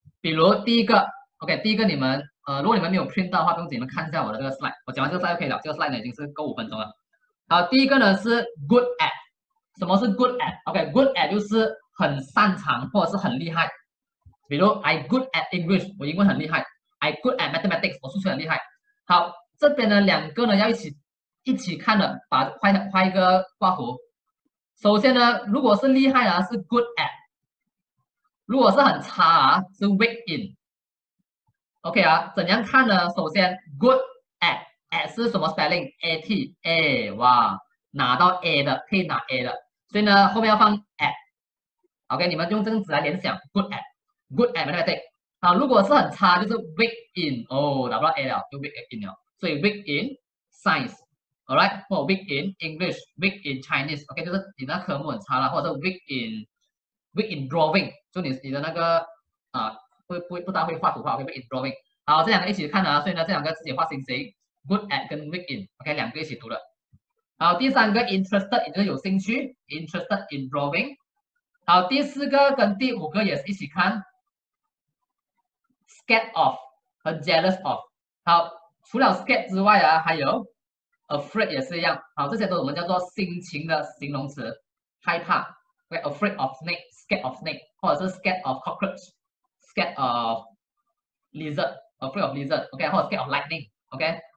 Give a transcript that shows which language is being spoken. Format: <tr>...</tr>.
<zh>比如第一个 ，OK， 第一个你们如果你们没有 print 到的话，不用紧，你们看一下我的这个 slide， 我讲完这个 slide 就可以了。这个 slide 呢已经是够五分钟了。好，第一个呢是 good at， 什么是 good at？OK，good at 就是很擅长或者是很厉害。比如</zh> <en>I good at English，</en> <zh>我英文很厉害。</zh> <en>I good at mathematics，</en> <zh>我数学很厉害。好，这边呢两个呢要一起看的，把画一个挂弧。首先呢，如果是厉害啊，是 good at； 如果是很差啊，是 weak in。 OK 啊，怎样看呢？首先 good at 是什么 spelling？ at a 哇，拿到 a 的，可以拿 a 的，所以呢，后面要放 at。 OK， 你们用这个词来联想 good at mathematics。啊，如果是很差，就是 weak in， 哦，拿不到 a 了，就 weak in 了，所以</zh> <en>weak in science。 All right, for weak in English, weak in Chinese,</en> <zh>OK, 就是你的科目很差啦，或者是</zh> <en>weak in drawing,</en> <zh>就你的那个不大会画图画 ，OK, weak in drawing。好，这两个一起看啊，所以呢，这两个自己画星星 ，good at 跟 weak in, OK, 两个一起读的。好，第三个 interested 也就是有兴趣 ，</zh> <en>interested in drawing。</en> <zh>好，第四个跟第五个也是一起看 ，scared of 和 jealous of。好，除了 scared 之外啊，还有。</zh> <en>Afraid</en> <zh>也是一样，好，这些都我们叫做心情的形容词，害怕</zh> <en>，like afraid of snake, scared of snake， 或者是 scared of cockroach, scared of lizard, afraid of lizard, OK， 或者 scared of lightning, OK。</en>